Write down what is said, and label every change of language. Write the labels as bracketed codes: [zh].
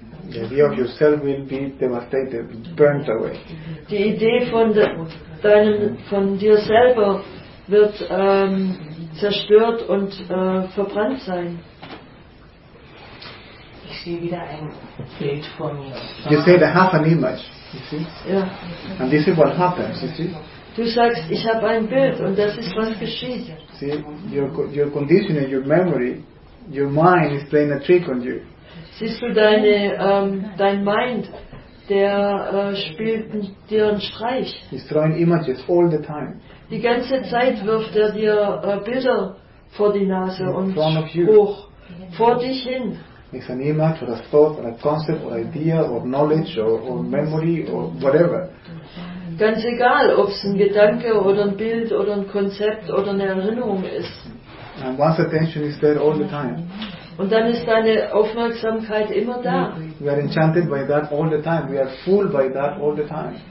[en] The idea of yourself will be devastated, burnt away. [de] Die Idee von deinem, von dir selber wird zerstört und verbrannt sein. Ich sehe wieder ein Bild vor mir. [en] You say they have an image, you see? Yeah. And this is what happens, you see? [de] Du sagst, ich habe ein Bild und das ist, was geschieht. [en] See, your conditioning, your memory, your mind is playing a trick on you. [de] Siehst du, dein Mind, der spielt dir einen Streich. [en] He's throwing images all the time. [de] Die ganze Zeit wirft er dir Bilder vor die Nase und hoch, vor dich hin. [en] It's an image or a thought or a concept or idea or knowledge or memory or whatever. [de] Ganz egal, ob es ein Gedanke oder ein Bild oder ein Konzept oder eine Erinnerung ist. [en] And one's attention is there all the time. [de] Und dann ist deine Aufmerksamkeit immer da. [en] We are enchanted by that all the time. We are fooled by that all the time.